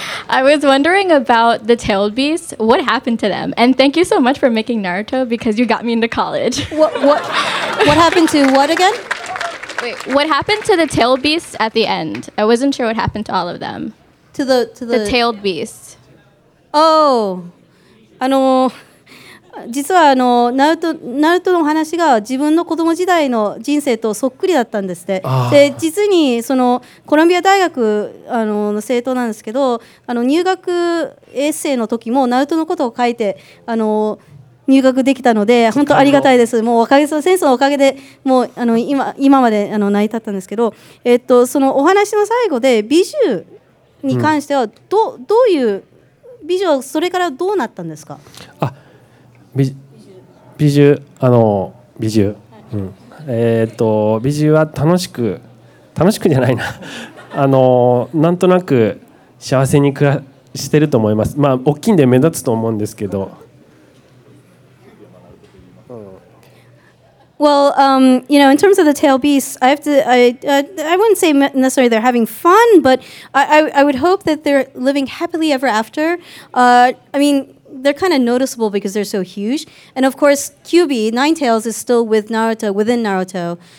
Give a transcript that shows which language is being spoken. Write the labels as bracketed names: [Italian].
[English] I was wondering about the tailed beasts. What happened to them? And thank you so much for making Naruto because you got me into college. What happened to what again? Wait, what happened to the tailed beasts at the end? I wasn't sure what happened to all of them. To the tailed beasts. [Japanese] Oh, あの実はあのナルトの話が自分の子供時代の人生とそっくりだったんですって。で、実にそのコロンビア大学の生徒なんですけど、入学エッセイの時もナルトのことを書いて入学できたので、本当ありがたいです。もうおかげさま、先生のおかげで、もう今まで成り立ったんですけど、そのお話の最後で、ビジュー。に関してはど、うん、どういうビジュはそれからどうなったんですか。あ、ビジュあのビジュ、はい、うん、ビジュは楽しくじゃないな。なんとなく幸せに暮らしてると思います。まあ大きいんで目立つと思うんですけど。 [English] Well, you know, in terms of the tail beasts, I have to, I wouldn't say necessarily they're having fun, but I would hope that they're living happily ever after. I mean, they're kind of noticeable because they're so huge. And of course, Kyuubi, Nine Tails, is still with Naruto, within Naruto.